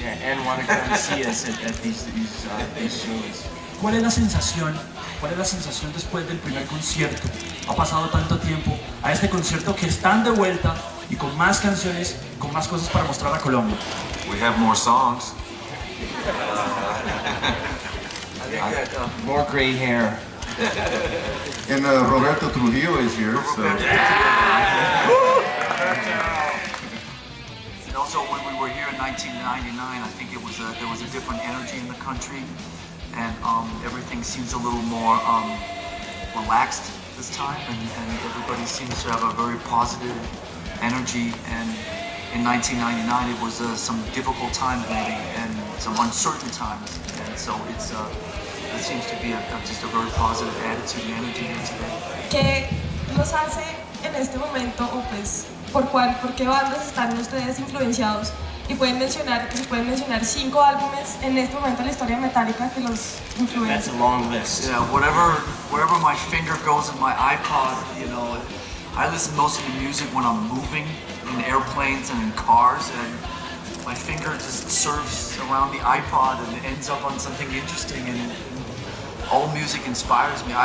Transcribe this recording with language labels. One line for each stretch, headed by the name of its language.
English: Yeah, and want to come see us at these shows.
Spanish: ¿Cuál es la sensación después del primer concierto? Ha pasado tanto tiempo a este concierto que están de vuelta y con más canciones, con más cosas para mostrar a Colombia.
English: We have more songs. More gray hair. And Roberto Trujillo is here, so. Yeah! And also when we were here in 1999, I think it was there was a different energy in the country. And everything seems a little more relaxed this time, and everybody seems to have a very positive energy. And in 1999, it was some difficult time maybe, and some uncertain times. And so it's it seems to be just a very positive attitude and energy here today.
Spanish: ¿Qué los hace en este momento, o pues por qué bandas están ustedes influenciados? Y pueden mencionar 5 álbumes en este momento de la historia Metallica que los influyen.
English: That's a long list. Yeah, wherever my finger goes in my iPod, you know, I listen most of the music when I'm moving in airplanes and in cars, and my finger just surfs around the iPod and ends up on something interesting, and all music inspires me.